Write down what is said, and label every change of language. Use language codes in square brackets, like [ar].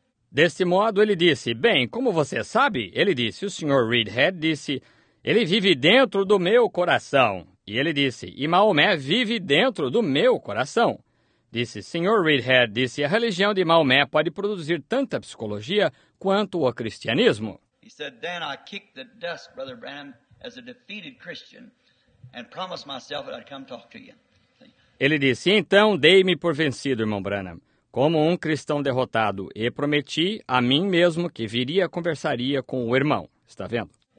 [pt] Deste modo, ele disse, bem, como você sabe, ele disse, o Sr. Reedhead disse, ele vive dentro do meu coração. E ele disse, e Maomé vive dentro do meu coração. Disse, Sr. Reedhead disse, a religião de Maomé pode produzir tanta psicologia quanto o cristianismo. [en] He said, then I kicked the dust, Brother Branham, as a defeated Christian, and promised myself that I'd come talk to you. [pt] Ele disse, então dei-me por vencido, Irmão Branham, como um cristão derrotado, e prometi a mim mesmo que viria e conversaria com o irmão. Está vendo?